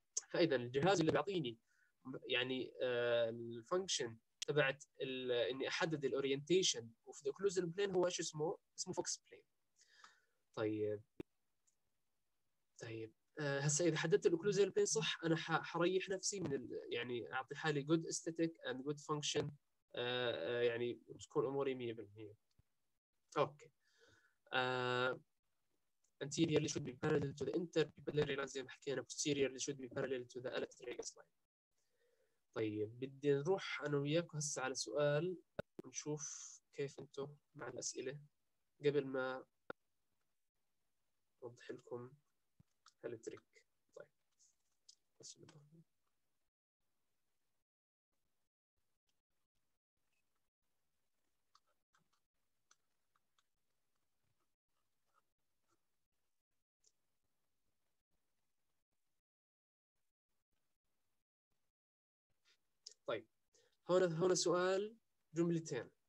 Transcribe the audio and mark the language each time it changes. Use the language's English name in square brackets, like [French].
[Arabic] فاذا الجهاز اللي بيعطيني يعني الفانكشن تبعت اني احدد الاورينتيشن وفي ذا كلوزال بلين هو ايش اسمه؟ اسمه فوكس بلين. طيب طيب هسه اذا حددت الاوكلوزال بلين صح، انا حريح نفسي من يعني اعطي حالي [English] good static and good function, [Arabic] يعني تكون اموري 100%. [English] okay anterior should be parallel to the interpupillary lens [Arabic] زي ما حكينا، [English] posterior should be parallel to the allotrigus line. [Arabic] طيب بدي نروح انا وياكم هسه على سؤال ونشوف كيف انتم مع الاسئله قبل ما اوضح لكم هالتريك. طيب بس هنا هنا سؤال جملتين.